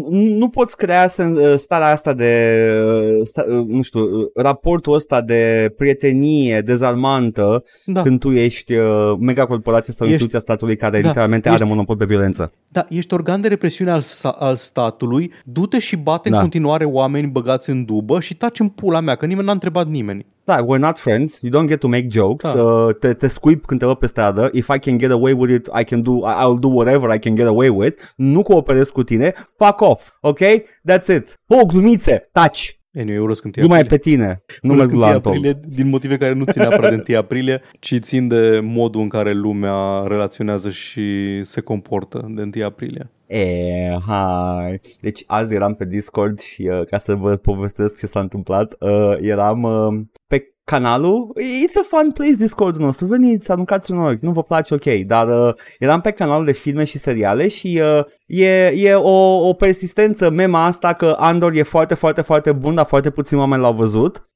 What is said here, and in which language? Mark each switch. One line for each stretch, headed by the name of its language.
Romanian: Nu poți crea starea asta de, nu știu, raportul ăsta de prietenie dezarmantă când tu ești megacorporație sau instituția statului care literalmente are monopol pe violență. Da, ești organ de represiune al statului, du-te și bate în continuare oameni băgați în dubă și taci în pula mea, că nimeni n-a întrebat nimeni.
English: Da, we're not friends, you don't get to make jokes,
Romanian: te scuip când te văd pe stradă,
English: if I can get away with it, I'll do whatever I can get away with,
Romanian: nu cooperez cu tine,
English: fuck off, ok? That's it.
Romanian: Bă, glumițe, taci! Anyway, urăsc în 1 aprilie. Nu mai pe tine, nu merg la Antol. Din motive care nu țin neapărat de 1 aprilie, ci țin de modul în care lumea relaționează și se comportă de 1 aprilie. Hai. Deci azi eram pe Discord și ca să vă povestesc ce s-a întâmplat, eram pe canalul,
English: it's a fun place
Romanian: Discord-ul nostru, veniți, aruncați un ochi, nu vă place, ok, dar eram pe canalul de filme și seriale și e o persistență, mema asta că Andor e foarte, foarte, foarte bun, dar foarte puțini oameni l-au văzut.